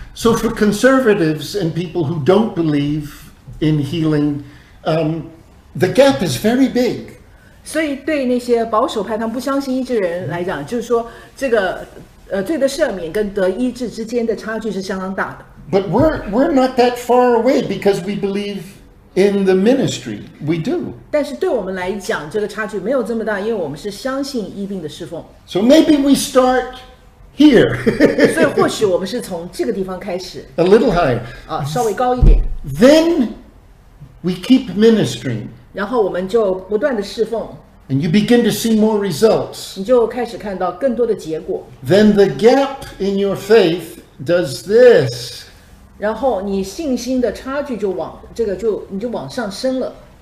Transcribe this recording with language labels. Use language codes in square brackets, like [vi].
[en] So for conservatives and people who don't believe in healing, the gap is very big. [zh] 所以对那些保守派他们不相信医治人来讲，就是说这个罪的赦免跟得医治之间的差距是相当大的。 [en] But we're not that far away because we believe in the ministry. We do. [zh] 但是对我们来讲，这个差距没有这么大，因为我们是相信医病的侍奉。 [en] So maybe we start here. [zh] 所以或许我们是从这个地方开始。 [en] A little higher. [zh] 稍微高一点。 [en] Then we keep ministering. [zh] 然后我们就不断的侍奉。 [en] And you begin to see more results. [zh] 你就开始看到更多的结果。 [en] Then the gap in your faith does this. [zh] 然后你信心的差距就往这个就你就往上升了。